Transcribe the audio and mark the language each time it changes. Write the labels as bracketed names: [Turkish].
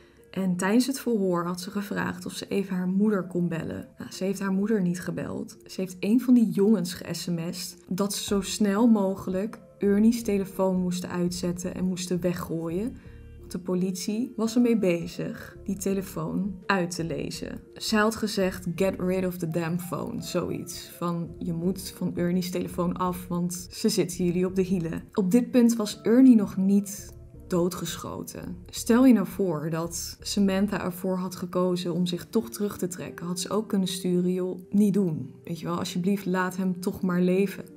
[Dutch] En tijdens het verhoor had ze gevraagd of ze even haar moeder kon bellen. Nou, ze heeft haar moeder niet gebeld. Ze heeft een van die jongens ge-sms'd dat ze zo snel mogelijk Ernie's telefoon moesten uitzetten en moesten weggooien. Want de politie was ermee bezig die telefoon uit te lezen. Zij had gezegd, [English] get rid of the damn phone, [Dutch] zoiets. Van, je moet van Ernie's telefoon af, want ze zitten jullie op de hielen. Op dit punt was Ernie nog niet doodgeschoten. Stel je nou voor dat Samantha ervoor had gekozen om zich toch terug te trekken. Had ze ook kunnen sturen, joh, niet doen. Weet je wel, alsjeblieft laat hem toch maar leven.